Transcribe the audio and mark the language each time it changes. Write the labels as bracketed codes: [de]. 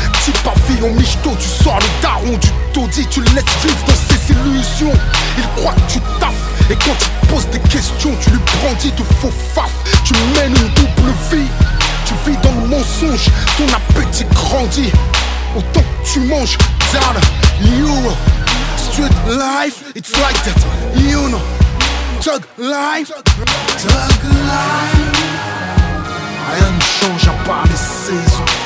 [fr] Petit pavillon michto, tu sors le daron du taudis. Tu le laisses vivre dans ses illusions. Il croit que tu taffes, et quand tu poses des questions, tu lui brandis de faux faf. Tu mènes une double vie, tu vis dans le mensonge. Ton appétit grandit autant que tu manges. [en] Darling, you know. Street life, it's like that, you know. Thug life, thug life. [fr] Rien ne change à part les saisons.